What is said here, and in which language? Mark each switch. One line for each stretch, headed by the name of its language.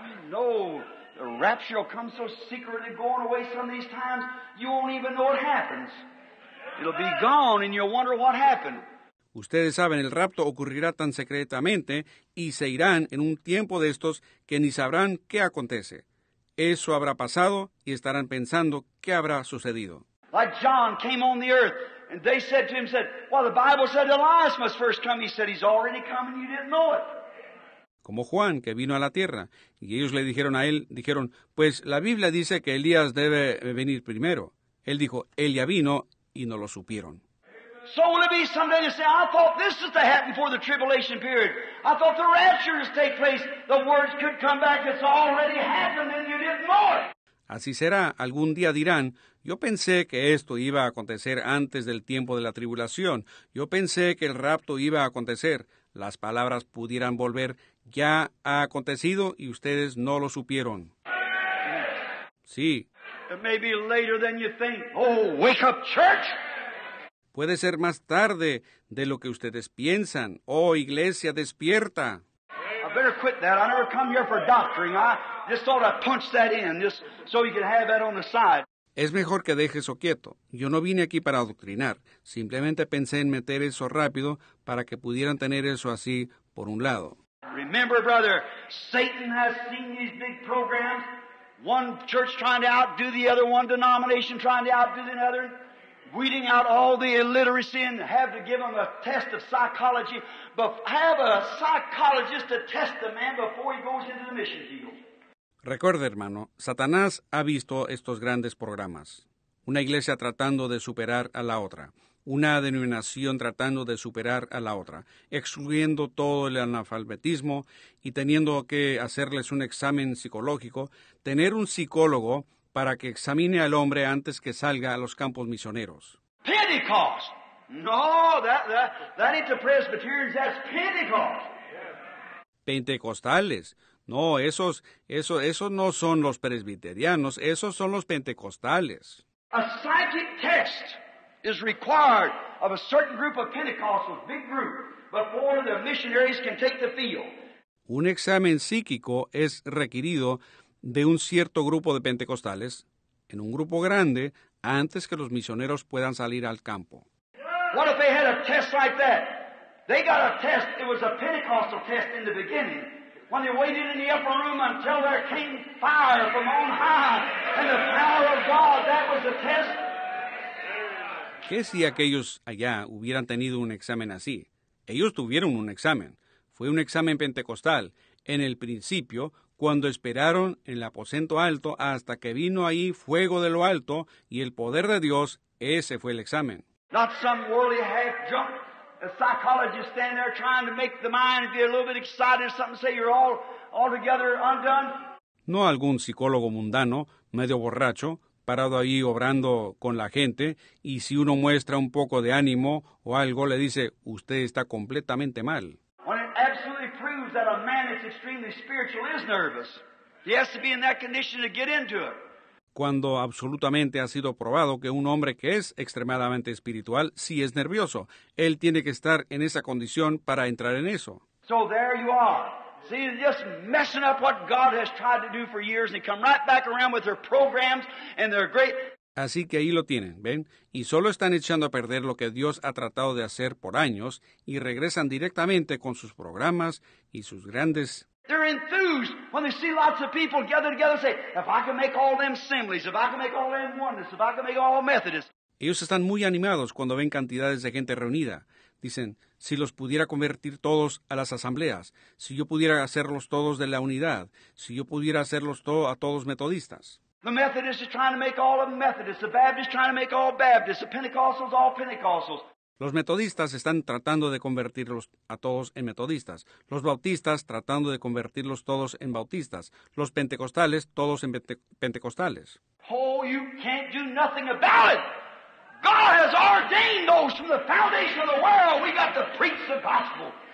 English: No. The rapture will come so secretly going away some of these times, you won't even know it happens. It'll be gone and you'll wonder what happened.
Spanish: Ustedes saben, el rapto ocurrirá tan secretamente y se irán en un tiempo de estos que ni sabrán qué acontece. Eso habrá pasado y estarán pensando qué habrá sucedido.
English: Like John came on the earth and they said to him, said, well, the Bible said Elias must first come. He said, he's already come and you didn't know it.
Spanish: Como Juan, que vino a la tierra. Y ellos le dijeron a él, dijeron, pues la Biblia dice que Elías debe venir primero. Él dijo, él ya vino y no lo supieron.
English: So will it be someday to say, I thought this is to happen before the tribulation period. I thought the rapture would take place. The words could come back. It's already happened and you didn't know it.
Spanish: Así será. Algún día dirán, yo pensé que esto iba a acontecer antes del tiempo de la tribulación. Yo pensé que el rapto iba a acontecer. Las palabras pudieran volver. Ya ha acontecido y ustedes no lo supieron. Sí.
English: It may be later than you think. Oh, wake up, church!
Spanish: Puede ser más tarde de lo que ustedes piensan. Oh, iglesia, despierta.
English: I better quit that. I never come here for doctoring. I just thought I'd punch that in just so you can have that on the side.
Spanish: Es mejor que deje eso quieto. Yo no vine aquí para adoctrinar. Simplemente pensé en meter eso rápido para que pudieran tener eso así por un lado.
English: Remember, brother, Satan has seen these big programs. One church trying to outdo the other, one denomination trying to outdo the other. Weeding out all the illiteracy and have to give them a test of psychology. But have a psychologist to test the man before he goes into the mission field.
Spanish: Recuerde, hermano, Satanás ha visto estos grandes programas. Una iglesia tratando de superar a la otra. Una denominación tratando de superar a la otra, excluyendo todo el analfabetismo y teniendo que hacerles un examen psicológico, tener un psicólogo para que examine al hombre antes que salga a los campos misioneros.
English: Pentecost. No, that ain't the Presbyterians, that's Pentecost.
Spanish: Pentecostales. No, esos no son los presbiterianos, esos son los pentecostales.
English: A psychic test is required of a certain group of Pentecostals, big group, before the missionaries can take the field.
Spanish: Un examen psíquico es requerido de un cierto grupo de pentecostales, en un grupo grande, antes que los misioneros puedan salir al campo.
English: What if they had a test like that? They got a test, it was a Pentecostal test in the beginning, when they waited in the upper room until there came fire from on high, and the power of God, that was the test.
Spanish: ¿Qué si aquellos allá hubieran tenido un examen así? Ellos tuvieron un examen. Fue un examen pentecostal, en el principio, cuando esperaron en el aposento alto hasta que vino ahí fuego de lo alto y el poder de Dios, ese fue el examen.
English: Not some worldly half junk. A psychologist stand there trying to make the mind be a little bit excited or something, say you're altogether undone.
Spanish: No algún psicólogo mundano, medio borracho, parado ahí obrando con la gente, y si uno muestra un poco de ánimo o algo, le dice, usted está completamente mal.
English: When it absolutely proves that a man that's extremely spiritual is nervous, he has to be in that condition to get into it.
Spanish: Cuando absolutamente ha sido probado que un hombre que es extremadamente espiritual sí es nervioso, él tiene que estar en esa condición para entrar en eso.
English: So there you are. See, just messing up what God has tried to do for years, and come right back around with their programs and their great.
Spanish: Así que ahí lo tienen, ¿ven? Y solo están echando a perder lo que Dios ha tratado de hacer por años, y regresan directamente con sus programas y sus grandes.
English: They're enthused when they see lots of people gather together and say, if I can make all them assemblies, if I can make all them oneness, if I can make all Methodists.
Spanish: Ellos están muy animados cuando ven cantidades de gente reunida. Dicen, si los pudiera convertir todos a las asambleas, si yo pudiera hacerlos todos de la unidad, si yo pudiera hacerlos a todos metodistas.
English: The Methodist is trying to make all of Methodists. The Baptist is trying to make all Baptists. The Pentecostals, all Pentecostals.
Spanish: Los metodistas están tratando de convertirlos a todos en metodistas. Los bautistas tratando de convertirlos todos en bautistas. Los pentecostales, todos en pentecostales.
English: Oh, you can't do nothing about it. God has ordained those from the foundation of the world. We got to preach the gospel.